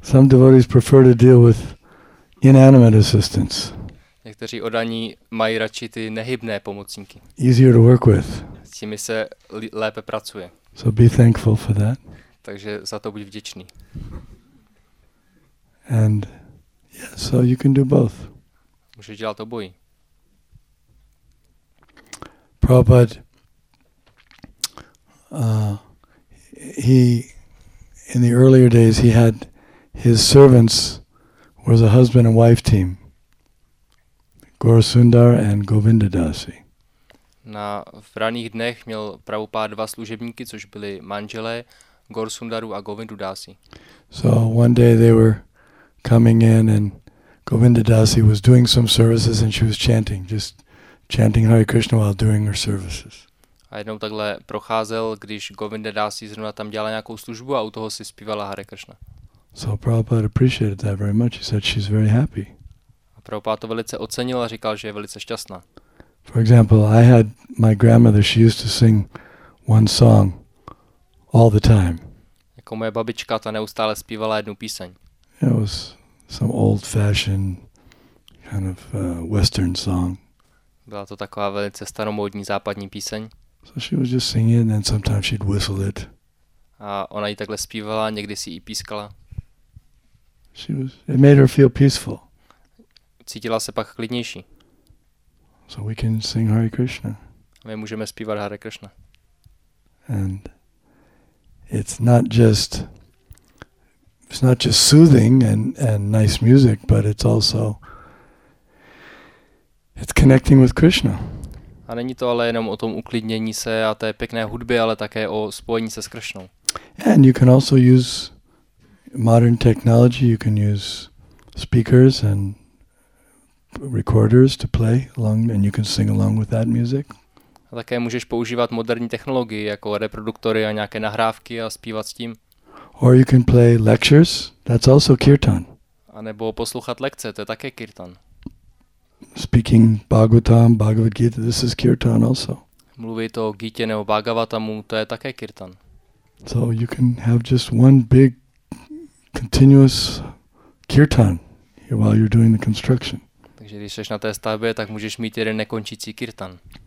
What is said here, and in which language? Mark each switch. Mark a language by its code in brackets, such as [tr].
[en] Some devotees prefer to deal with inanimate assistants. [cs] Někteří oddaní mají radši ty nehybné pomocníky. [en] Easier to work with. [cs] S nimi se lépe pracuje. [en] So be thankful for that. [cs] Takže za to buď vděčný. [en] And yeah, so you can do both. [cs] Můžeš dělat obojí. [en] Prabhupada, he in the earlier days he had his servants was a husband and wife team. Gaurasundar and Govinda Dasi. [cs] Na v raných dnech měl Prabhupada dva služebníky, což byli manželé Gaurasundaru a Govindu Dasi. [en] So one day they were coming in and Govinda Dasi was doing some services and she was chanting, just chanting Hare Krishna while doing her services. [cs] A jednou takhle procházel, když Govinda Dasi zrovna tam dělala nějakou službu a u toho si zpívala Hare Krishna. [en] So Prabhupada appreciated that very much. He said she's very happy. [cs] A Prabhupada to velice ocenil a říkal, že je velice šťastná. [en] For example, I had my grandmother, she used to sing one song all the time. [cs] Jako moje babička, ta neustále zpívala jednu píseň. [en] It was some old fashioned kind of western song. [cs] Byla to taková velice staromódní západní píseň. [en] So she was just singing and sometimes she'd whistle it. [cs] A ona ji takhle zpívala, někdy si ji pískala. [en] She was, it made her feel peaceful. [cs] Cítila se pak klidnější. [en] So we can sing Hare Krishna. [cs] A my můžeme zpívat Hare Krishna. [en] And it's not just soothing and nice music, but it's also connecting with Krishna. [cs] A není to ale jenom o tom uklidnění se a té pěkné hudbě, ale také o spojení se s Krishnou. [en] And you can also use modern technology. You can use speakers and recorders to play along, and you can sing along with that music. [cs] A také můžeš používat moderní technologie jako reproduktory a nějaké nahrávky a zpívat s tím. [en] Or you can play lectures. That's also kirtan. [cs] A nebo poslouchat lekce, to je také kirtan. [en] Speaking Bhagavatam, Bhagavad Gita, this is kirtan also. [cs] Mluvit o Gitě nebo Bhagavatamu, to je také kirtan. [en] So you can have just one big continuous kirtan while you're doing the construction. [cs] Takže když jsi na té stavbě, tak můžeš mít jeden nekončící kirtan.